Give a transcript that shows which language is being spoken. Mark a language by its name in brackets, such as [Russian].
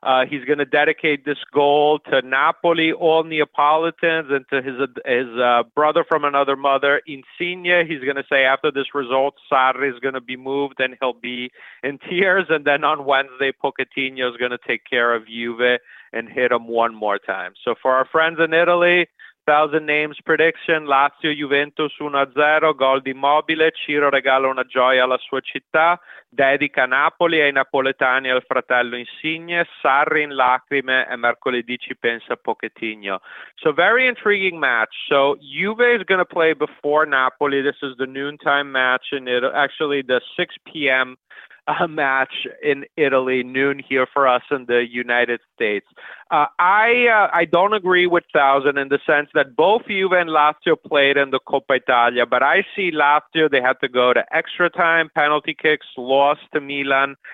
[English] He's going to dedicate this goal to Napoli, all Neapolitans, and to his brother from another mother, Insigne. He's going to say after this result, Sarri is going to be moved and he'll be in tears. And then on Wednesday, Pochettino is going to take care of Juve and hit him one more time. [Italian] So for our friends in Italy, Thousand Names prediction, Lazio Juventus 1-0, gol di Immobile, Ciro regala una gioia alla sua città, dedica Napoli ai napoletani e al fratello Insigne, Sarri in lacrime e mercoledì ci pensa Pochettino. [English] So very intriguing match. So Juve is going to play before Napoli. This is the noontime match, and it actually the 6 p.m. match in Italy, noon here for us in the United States. I don't agree with Thousand in the sense that both Juve and Lazio played in the Coppa Italia, but I see Lazio, they had to go to extra time, penalty kicks, lost to Milan.